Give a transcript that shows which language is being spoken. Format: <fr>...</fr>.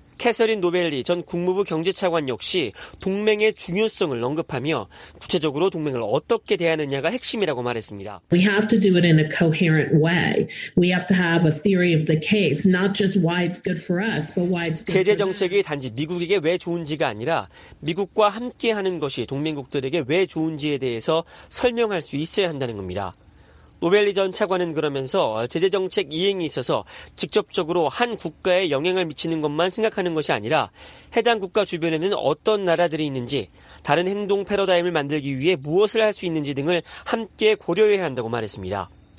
<ko>캐서린 노벨리 전 국무부 경제차관 역시 동맹의 중요성을 언급하며 구체적으로 동맹을 어떻게 대하느냐가 핵심이라고 말했습니다.</ko> <en>We have to do it in a coherent way. We have to have a theory of the case, not just why it's good for us, but why it's good.</en> <ko>제재 정책이 단지 미국에게 왜 좋은지가 아니라 미국과 함께 하는 것이 동맹국들에게 왜 좋은지에 대해서 설명할 수 있어야 한다는 겁니다. 노벨리 전 차관은 그러면서 제재 정책 이행이 있어서 직접적으로 한 국가에 영향을 미치는 것만 생각하는 것이 아니라 해당 국가 주변에는 어떤 나라들이 있는지, 다른 행동 패러다임을 만들기 위해 무엇을 할 수 있는지 등을 함께 고려해야 한다고 말했습니다.</ko>